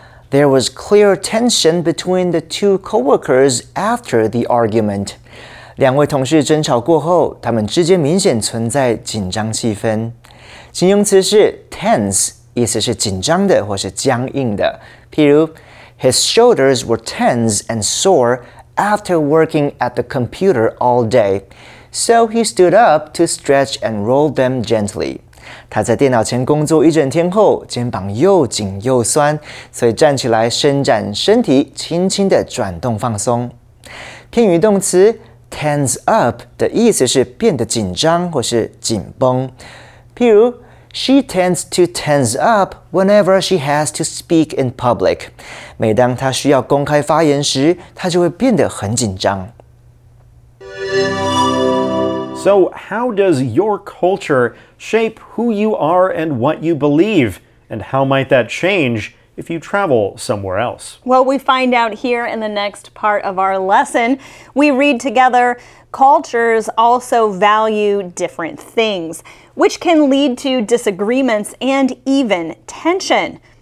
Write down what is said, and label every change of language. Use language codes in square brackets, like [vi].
[en] There was clear tension between the two co-workers after the argument. [zh] 两位同事争吵过后，他们之间明显存在紧张气氛。形容词是 tense， 意思是紧张的或是僵硬的。 [en] 譬如 ，His shoulders were tense and sore after working at the computer all day， so he stood up to stretch and roll them gently。 [zh] 他在电脑前工作一整天后，肩膀又紧又酸，所以站起来伸展身体，轻轻地转动放松。偏语动词 [en] tense up [zh] 的意思是变得紧张或是紧绷。 [en] 譬如 ，She tends to tense up whenever she has to speak in public。 [zh] 每当她需要公开发言时，她就会变得很紧张。 [en] So, how does your culture shape who you are and what you believe? And how might that change if you travel somewhere else? Well, we find out here in the next part of our lesson. We read together, cultures also value different things, which can lead to disagreements and even tension.